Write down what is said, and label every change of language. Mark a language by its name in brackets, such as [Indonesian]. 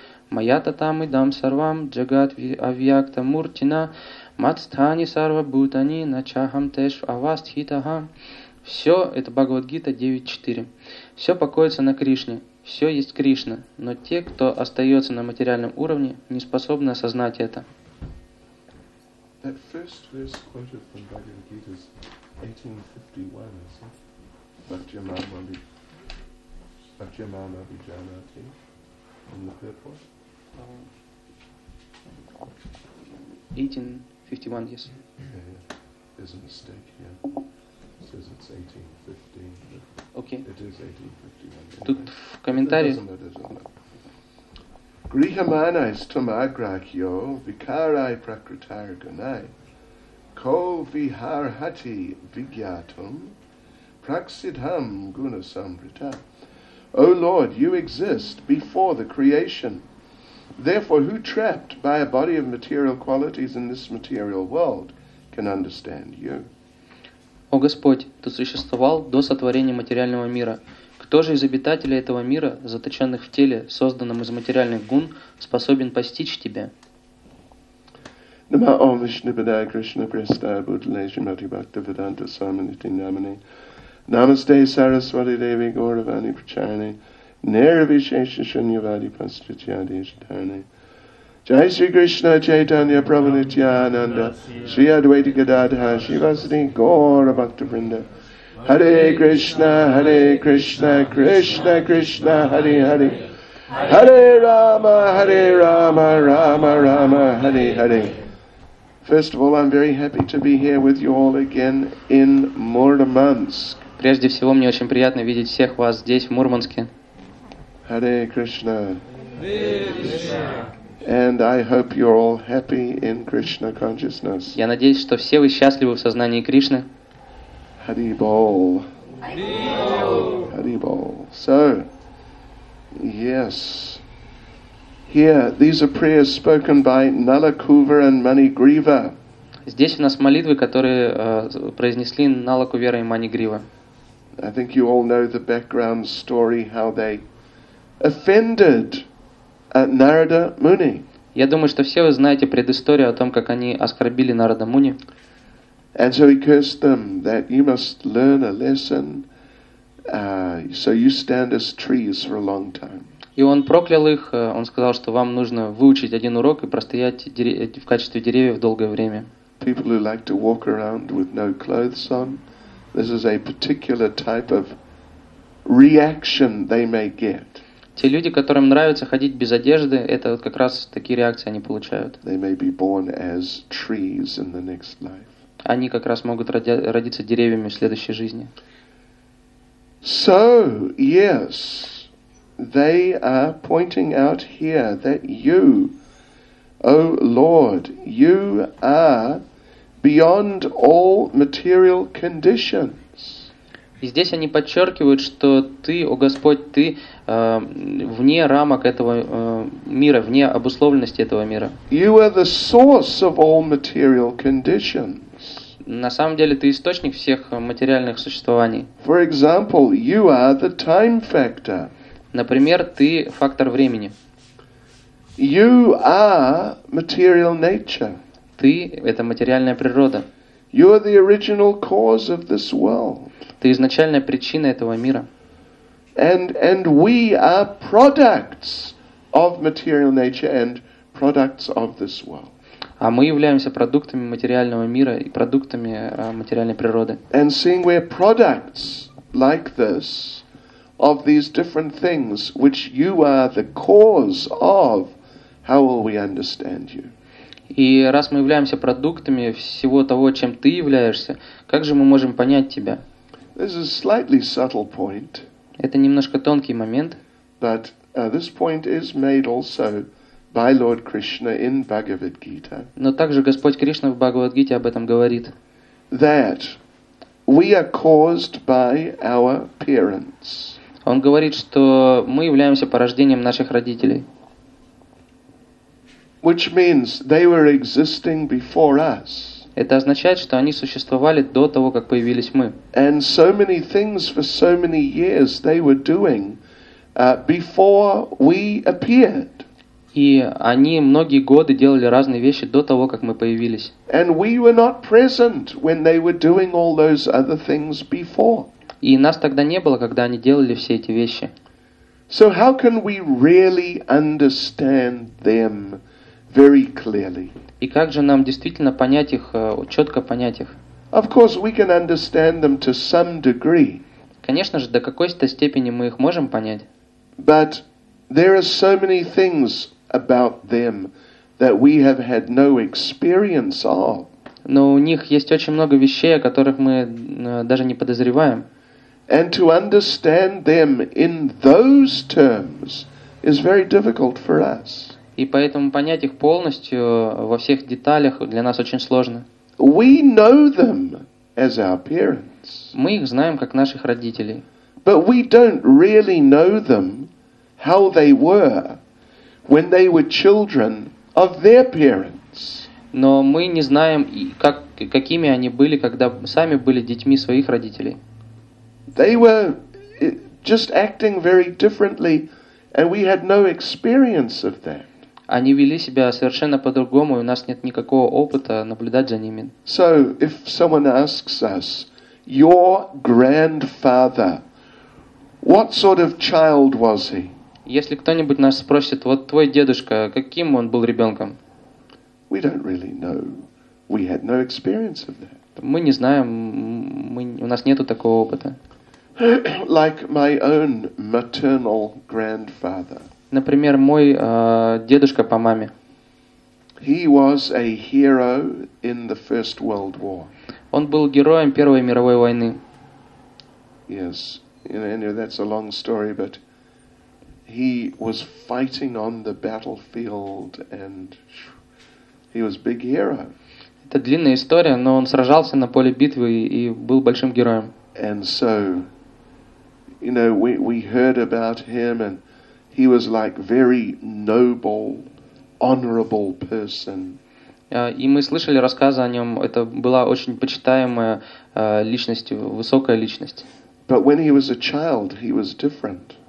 [Sanskrit] Маята там идам сарвам джагат авьякта муртина матстхани сарва бутани начахам теш авастхитага. [Russian] Все это Бхагавадгита 9.4. Все покоится на Кришне. Все есть Кришна. Но те, кто остается на материальном уровне, не способны осознать это. [English] That first verse quoted from Bhagavad Gita is 1851, is it? [Sanskrit] Bhajyamana Vijanati [English] in the purport? 1851, yes. Yeah, yeah. There's a mistake here. It says it's 1815. Okay. It is 1851. [Russian] Anyway. Тут в комментарии... [English] It doesn't matter, doesn't it? [Sanskrit] Grihamanais tum agrahyo vikarai prakritar gunai ko viharhati vigyatum praksidham gunasamrita. [English] O Lord, you exist before the creation. Therefore, who trapped by a body of material qualities in this material world can understand you? [Russian] О Господь, Ты существовал до сотворения материального мира. Кто же из обитателей этого мира, заточенных в теле, созданном из материальных гун, способен постичь Тебя? [Sanskrit] Нама Ом Вишну Падая Кришна Престая Бутле Шримати Бхакти Веданта Саманити Намани Намасте Сарасвати Деви Гауравани Прачарани Нирвишеша Шуньявади Пасчитьяди Шитарани Jai Sri Krishna Chaitanya Prabhu Nityananda Sri Advaita Gadadhara Shivasini Gaura Bhaktavrinda Hare Krishna Hare Krishna Krishna Krishna Hare Hare Hare Rama Hare Rama Rama Rama Hare Hare. [English] First of all, I'm very happy to be here with you all again in Murmansk. [Russian] Прежде всего, мне очень приятно видеть всех вас здесь, в Мурманске. Hare Krishna. [English] And I hope you're all happy in Krishna consciousness. [Russian] Я надеюсь, что все вы счастливы в сознании Кришны. Hari Bol. Hari Bol. [English] So, yes. Here, these are prayers spoken by Nalakuva and Manigriva. [Russian] Здесь у нас молитвы, которые произнесли Nalakuva и Manigriva. [English] I think you all know the background story how they offended at Narada Muni. [Russian] Я думаю, что все вы знаете предысторию о том, как они оскорбили Нарада Муни. [English] And so he cursed them that you must learn a lesson, so you stand as trees for a long time. [Russian] И он проклял их, он сказал, что вам нужно выучить один урок и простоять в качестве деревьев долгое время. [English] People who like to walk around with no clothes on, this is a particular type of reaction they may get. [Russian] Те люди, которым нравится ходить без одежды, это вот как раз такие реакции они получают. [English] They may be born as trees in the next life. [Russian] Они как раз могут родиться деревьями в следующей жизни. [English] So, yes, they are pointing out here that you, O Lord, you are beyond all material conditions. [Russian] И здесь они подчеркивают, что ты, о Господь, ты вне рамок этого мира, вне обусловленности этого мира. [English] You are the source of all material conditions. [Russian] На самом деле, ты источник всех материальных существований. [English] For example, you are the time factor. [Russian] Например, ты фактор времени. [English] You are material nature. [Russian] Ты – это материальная природа. [English] You are the original cause of this world. [Russian] Ты изначальная причина этого мира. [English] And we are products of material nature and products of this world. [Russian] А мы являемся продуктами материального мира и продуктами материальной природы. [English] And seeing we're products like this of these different things which you are the cause of, how will we understand you? [Russian] И раз мы являемся продуктами всего того, чем ты являешься, как же мы можем понять тебя? [English] This is a slightly subtle point. [Russian] Это немножко тонкий момент. [English] But this point is made also by Lord Krishna in Bhagavad Gita. [Russian] Но также Господь Кришна в Бхагавад-гите об этом говорит. [English] That we are caused by our parents. [Russian] Он говорит, что мы являемся порождением наших родителей. [English] Which means they were existing before us. [Russian] Это означает, что они существовали до того, как появились мы. [English] And so many things for so many years they were doing before we appeared. [Russian] И они многие годы делали разные вещи до того, как мы появились. [English] And we were not present when they were doing all those other things before. [Russian] И нас тогда не было, когда они делали все эти вещи. [English] So how can we really understand them very clearly? [Russian] И как же нам действительно понять их, четко понять их? [English] Of course, we can understand them to some degree. [Russian] Конечно же, до какой-то степени мы их можем понять. [English] But there are so many things about them that we have had no experience of. [Russian] Но у них есть очень много вещей, о которых мы даже не подозреваем. [English] And to understand them in those terms is very difficult for us. [Russian] И поэтому понять их полностью во всех деталях для нас очень сложно. [English] We know them as our parents. [Russian] Мы их знаем как наших родителей. [English] But we don't really know them how they were when they were children of their parents. [Russian] Но мы не знаем, какими они были, когда сами были детьми своих родителей. [English] They were just acting very differently, and we had no experience of that. [Russian] Они вели себя совершенно по-другому, и у нас нет никакого опыта наблюдать за ними. [English] So, if someone asks us, your grandfather, what sort of child was he? [Russian] Если кто-нибудь нас спросит, вот твой дедушка, каким он был ребенком? [English] We don't really know. We had no experience of that. [Russian] Мы не знаем, у нас нету такого опыта. [English] Like my own maternal grandfather. [Russian] Например, мой дедушка по маме. [English] He was a hero in the First World War. [Russian] Он был героем Первой мировой войны. [English] Yes, anyway, that's a long story, but he was fighting on the battlefield, and he was a big hero. [Russian] Это длинная история, но он сражался на поле битвы и был большим героем. [English] And so, you know, we heard about him, and he was like very noble, honorable person. [Russian] И мы слышали рассказы о нем. Это была очень почитаемая личность, высокая личность. [English] But when he was a child, he was different.